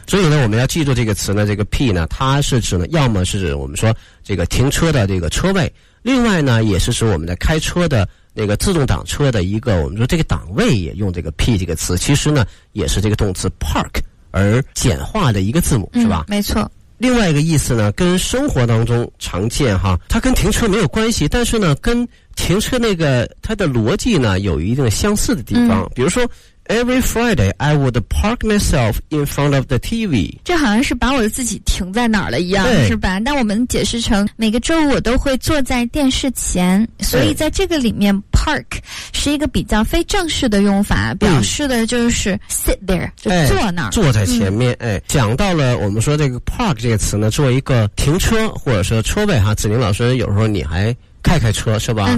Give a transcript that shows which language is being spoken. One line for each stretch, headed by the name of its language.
Chinese: 所以呢我们要记住这个词呢，这个 P 呢它是指呢，要么是指我们说这个停车的这个车位，另外呢也是指我们的开车的那个自动挡车的一个，我们说这个档位也用这个 P 这个词，其实呢也是这个动词 park而简化的一个字母，是吧？没错。另外一个意思呢，跟生活当中常见哈，它跟停车没有关系，但是呢跟停车那个它的逻辑呢有一定相似的地方。
English: 比如说 Every Friday I would park myself in front of the TV，
Chinese: 这好像是把我自己停在哪儿了一样，是吧？那我们解释成每个周五我都会坐在电视前，所以在这个里面Park 是一个比较非正式的用法，表示的就是 sit there，就坐那儿，坐在前面。讲到了我们说这个 park 这个词呢，做一个停车或者说车位哈，子宁老师有时候你还开开车是吧？